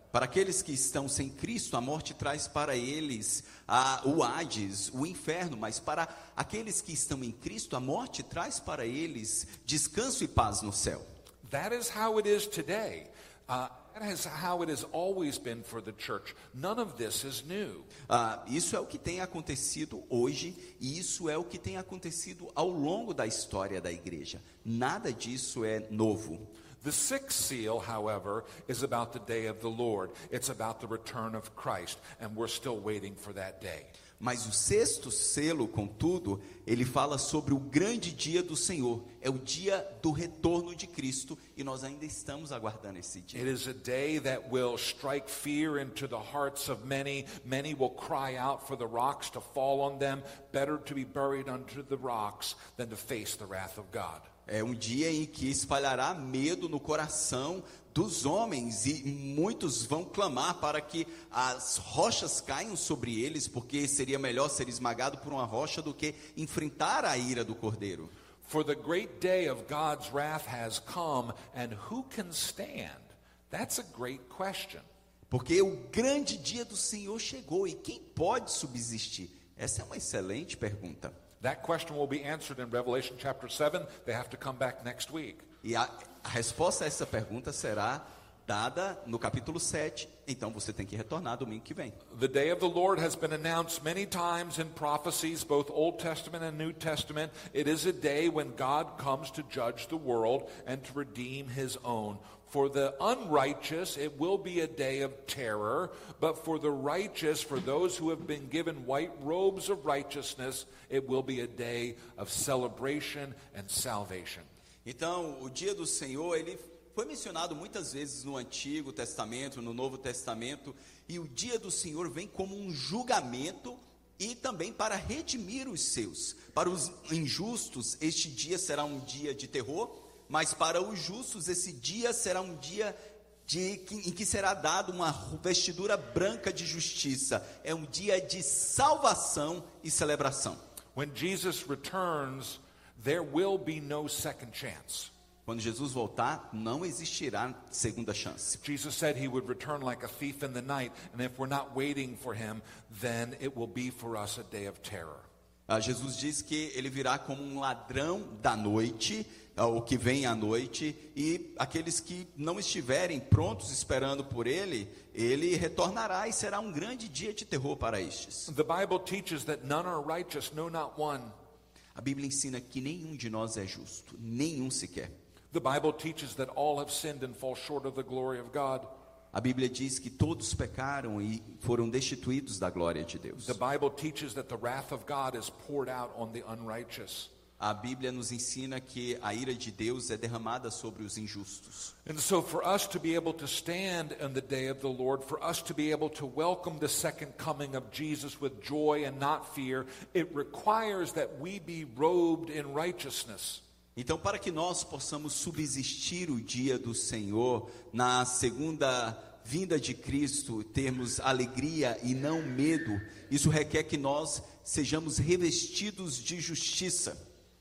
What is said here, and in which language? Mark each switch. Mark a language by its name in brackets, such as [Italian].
[Portuguese] Para aqueles que estão sem Cristo, a morte traz para eles o Hades, o inferno. Mas para aqueles que estão em Cristo, a morte traz para eles descanso e paz no céu. [English] That is how it is today. That is how it has always been for the church. None of this is new. [Portuguese] Isso é o que tem acontecido hoje, e isso é o que tem acontecido ao longo da história da igreja. Nada disso é novo. [English] The sixth seal, however, is about the day of the Lord. It's about the return of Christ, and we're still waiting for that day. [Portuguese] Mas o sexto selo, contudo, ele fala sobre o grande dia do Senhor. É o dia do retorno de Cristo e nós ainda estamos aguardando esse dia. [English] It is a day that will strike fear into the hearts of many. Many will cry out for the rocks to fall on them. Better to be buried under the rocks than to face the wrath of God. [Portuguese] É um dia em que espalhará medo no coração dos homens e muitos vão clamar para que as rochas caiam sobre eles, porque seria melhor ser esmagado por uma rocha do que enfrentar a ira do Cordeiro. [English] For the great day of God's wrath has come, and who can stand? That's a great question. [Portuguese] Porque o grande dia do Senhor chegou e quem pode subsistir? Essa é uma excelente pergunta. [English] That question will be answered in Revelation chapter 7. They have to come back next week. [Portuguese] E a resposta a essa pergunta será dada no capítulo 7. Então você tem que retornar domingo que vem. [English] The day of the Lord has been announced many times in prophecies, both Old Testament and New Testament. It is a day when God comes to judge the world and to redeem his own. For the unrighteous, it will be a day of terror, but for the righteous, for those who have been given white robes of righteousness, it will be a day of celebration and salvation. [Portuguese] Então, o dia do Senhor, ele foi mencionado muitas vezes no Antigo Testamento, no Novo Testamento, e o dia do Senhor vem como um julgamento e também para redimir os seus. Para os injustos, este dia será um dia de terror, mas para os justos, esse dia será um dia em que será dado uma vestidura branca de justiça. É um dia de salvação e celebração. [English] When Jesus returns, there will be no second chance. [Portuguese] Quando Jesus voltar, não existirá segunda chance. [English] Jesus said he would return like a thief in the night, and if we're not waiting for him, then it will be for us a day of terror. [Portuguese] Jesus diz que ele virá como um ladrão da noite, o que vem à noite, e aqueles que não estiverem prontos esperando por ele, ele retornará e será um grande dia de terror para estes. [English] The Bible teaches that none are righteous, no, not one. [Portuguese] A Bíblia ensina que nenhum de nós é justo, nenhum sequer. [English] The Bible teaches that all have sinned and fall short of the glory of God. [Portuguese] A Bíblia diz que todos pecaram e foram destituídos da glória de Deus. [English] The Bible teaches that the wrath of God is poured out on the unrighteous. [Portuguese] A Bíblia nos ensina que a ira de Deus é derramada sobre os injustos. [English] And so for us to be able to stand in the day of the Lord, for us to be able to welcome the second coming of Jesus with joy and not fear, it requires that we be robed in righteousness. [Portuguese] Então, para que nós possamos subsistir o dia do Senhor, na segunda vinda de Cristo, termos alegria e não medo, isso requer que nós sejamos revestidos de justiça.